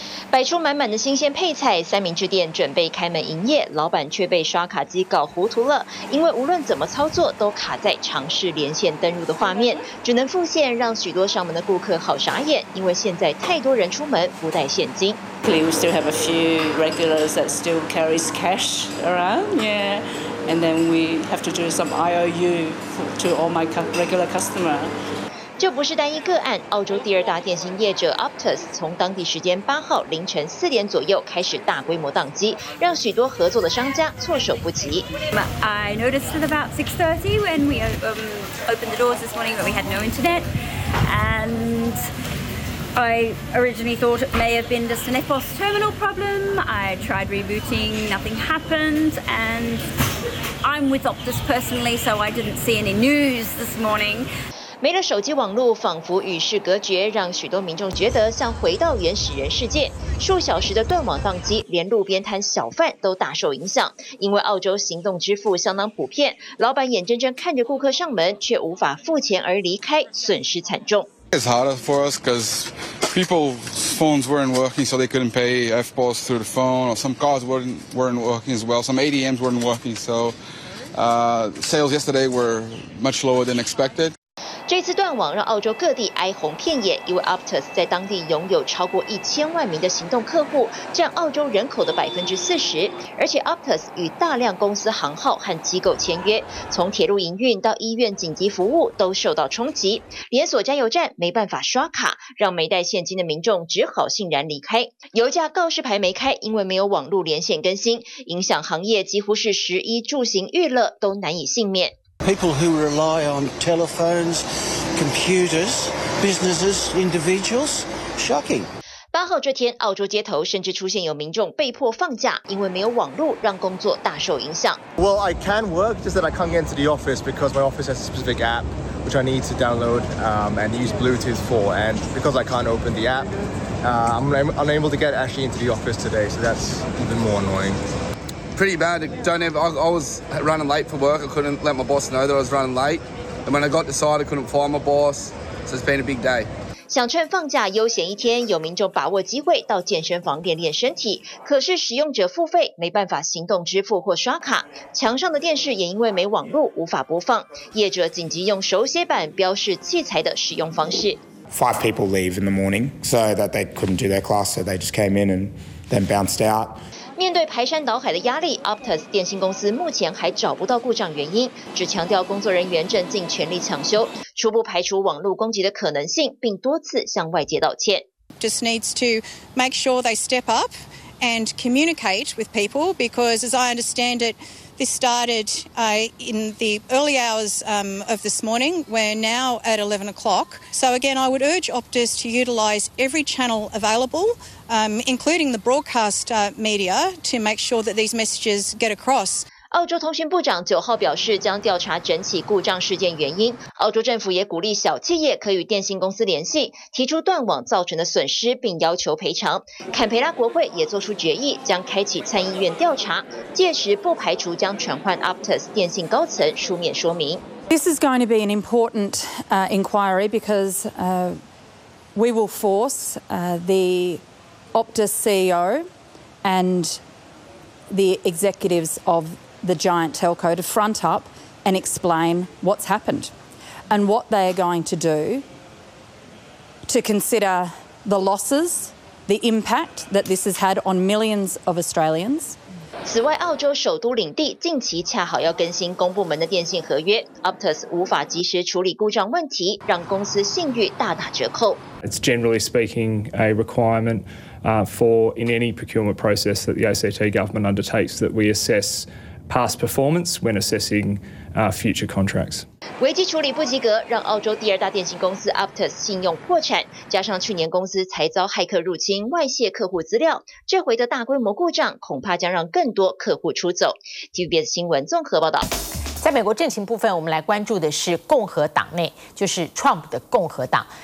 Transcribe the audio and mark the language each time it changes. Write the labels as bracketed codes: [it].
[zh] 摆出满满的新鲜配菜，三明治店准备开门营业，老板却被刷卡机搞糊涂了，因为无论怎么操作都卡在尝试连线登入的画面，只能付现，让许多上门的顾客好傻眼，因为现在太多人出门不带现金。 [en] We still have a few regulars that still carries cash around, yeah, and then we have to do some IOU to all my regular customer. [zh] 这不是单一个案，澳洲第二大电信业者 Optus 从当地时间8号凌晨4点左右开始大规模宕机，让许多合作的商家措手不及。 [en] I noticed at about 6:30 when we opened the doors this morning that we had no internet, and I originally thought it may have been just an EFTPOS terminal problem. I tried rebooting, nothing happened, and I'm with Optus personally, so I didn't see any news this morning. [zh] 没了手机网络，仿佛与世隔绝，让许多民众觉得像回到原始人世界。数小时的断网宕机，连路边摊小贩都大受影响。因为澳洲行动支付相当普遍，老板眼睁睁看着顾客上门却无法付钱而离开，损失惨重。 [en] It's harder for us because people's phones weren't working, so they couldn't pay FBOS through the phone. Some cards weren't working as well. Some ATMs weren't working. So sales yesterday were much lower than expected. [zh] 这次断网让澳洲各地哀鸿遍野，因为 Optus 在当地拥有超过1000万名的行动客户，占澳洲人口的40%，而且 Optus 与大量公司行号和机构签约，从铁路营运到医院紧急服务都受到冲击，连锁加油站没办法刷卡，让没带现金的民众只好悻然离开。油价告示牌没开，因为没有网路连线更新，影响行业几乎是11住行娱乐都难以幸免。 [en] People who rely on telephones, computers, businesses, individuals, shocking. [zh] 八号这天，澳洲街头甚至出现有民众被迫放假，因为没有网络，让工作大受影响。 [en] Well, I can work, just that I can't get into the office because my office has a specific app which I need to download and use Bluetooth for. And because I can't open the app, I'm unable to get actually into the office today. So that's even more annoying. Pretty bad. I was running late for work. I couldn't let my boss know that I was running late. And when I got the site, I couldn't find my boss. So it's been a big day. [zh] 想趁放假悠闲一天，有民众把握机会到健身房练练身体，可是使用者付费没办法行动支付或刷卡，墙上的电视也因为没网络无法播放，业者紧急用手写板标示器材的使用方式。 [en] Five people leave in the morning so that they couldn't do their class, so they just came in and then bounced out. [zh] 面对排山倒海的压力， Optus 电信公司目前还找不到故障原因，只强调工作人员正尽全力抢修，初步排除网络攻击的可能性，并多次向外界道歉。 [en] Just needs to make sure they step up and communicate with people, because as I understand it, this started in the early hours of this morning. We're now at 11 o'clock. So again, I would urge Optus to utilize every channel available. Including the broadcast media, to make sure that these messages get across. [zh] 澳洲通讯部长九号表示，将调查整起故障事件原因。澳洲政府也鼓励小企业可与电信公司联系，提出断网造成的损失，并要求赔偿。坎培拉国会也做出决议，将开启参议院调查，届时不排除将传唤 Optus 电信高层书面说明。 [en] This is going to be an important inquiry because we will force the Optus CEO and the executives of the giant telco to front up and explain what's happened and what they are going to do to consider the losses, the impact that this has had on millions of Australians. [zh] 此外，澳洲首都领地近期恰好要更新公部门的电信合约， Optus 无法及时处理故障问题，让公司信誉大打折扣。 [en] It's generally speaking a requirement for in any procurement process that the ACT government undertakes that we assess past performance when assessing future contracts. [zh] 危机处理不及格，让澳洲第二大电信公司 Optus 信用破产，加上去年公司才遭骇客入侵外泄客户资料，这回的大规模故障恐怕将让更多客户出走。 TVBS 新闻综合报道。在美国政情部分，我们来关注的是共和党内，就是 Trump 的共和党。